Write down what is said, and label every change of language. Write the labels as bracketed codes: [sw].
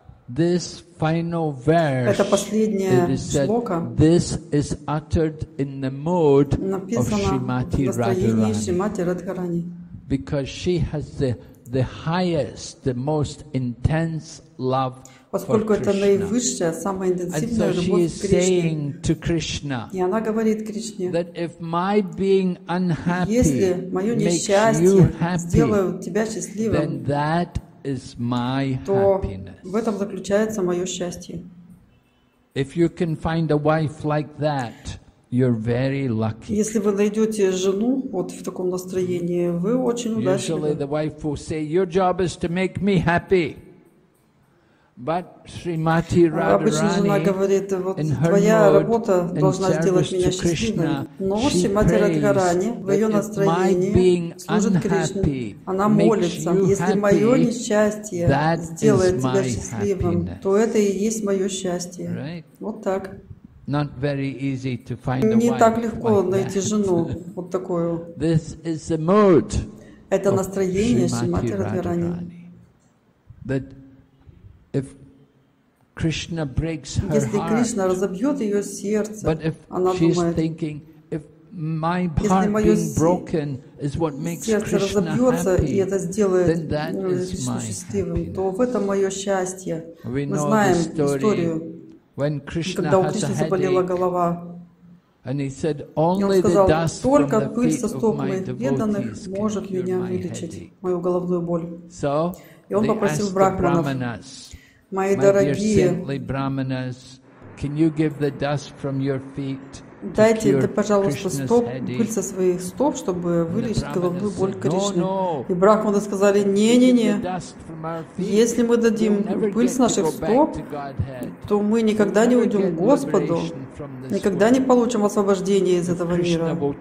[en] This final verse, it is said, this is uttered in the mood of Shrimati Radharani, because she has the highest, the most intense love for Krishna. And so she is saying to Krishna that if my being unhappy makes you happy, then that is my happiness. [ru] В этом заключается мое счастье. [en] If you can find a wife like that, you're very lucky. [ru] Если вы найдете жену вот в таком настроении, вы очень удачливы. [en] Usually the wife will say, "Your job is to make me happy." But Shrimati Radharani, in her mood, in service to Krishna, she prays that if my being unhappy makes you happy, that is my happiness. Right? [ru] Вот так. [en] Not very easy to find a wife. [ru] Не так легко найти жену вот такую. [en] This is the mood. [ru] Это настроение Шримати Радхарани. [en] That if Krishna breaks her heart. [ru] Если Кришна разобьет ее сердце, [en] but if [ru] она [en] she's [ru] думает, [en] thinking, if my heart being broken is what makes Krishna happy, then that is my happiness. We know the story. When Krishna has a headache, and he said, only the dust from the feet of my devotees can cure my headache. So, they asked the brahmanas, my dear saintly brahmanas, can you give the dust from your feet [ru] дайте, да, пожалуйста, стоп, пыль со своих стоп, чтобы вылечить головную боль Кришны. И брахманы сказали, не-не-не, если мы дадим пыль с наших стоп, то мы никогда не уйдем к Господу, никогда не получим освобождение из этого мира.